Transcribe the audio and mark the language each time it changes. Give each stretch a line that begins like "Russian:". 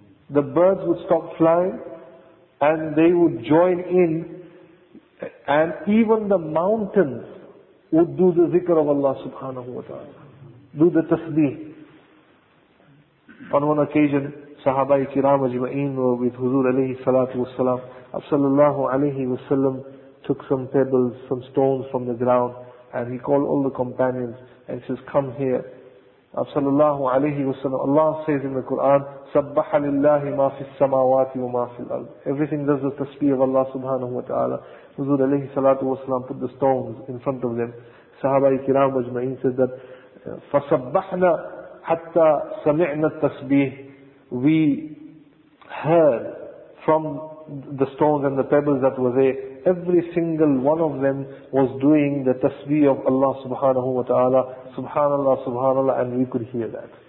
English: The birds would stop flying and they would join in, and even the mountains would do the zikr of Allah subhanahu wa ta'ala. Do the tasbih. On one occasion, Sahaba-i kiram ajma'een were with Huzur alayhi salatu wasalam. Sallallahu alayhi wasallam took some pebbles, some stones from the ground, and he called all the companions and says, come here. Sallallahu alayhi wasallam. Allah says in the Quran,
Arabic: سَبَّحَ لِلَّهِ مَا فِي السَّمَاوَاتِ وَمَا فِي الْأَرْضِ.
English: Everything does the tasbih of Allah subhanahu wa ta'ala. Huzur alayhi salatu wasalam put the stones in front of them. Sahaba-i kiram ajma'een says that,
Arabic: فَسَبَّحْنَا حَتَّى سَمِعْنَا التَّسْبِيحِ.
English: We heard from the stones and the pebbles that were there, every single one of them was doing the tasbih of Allah subhanahu wa ta'ala, subhanallah, subhanallah, and we could hear that.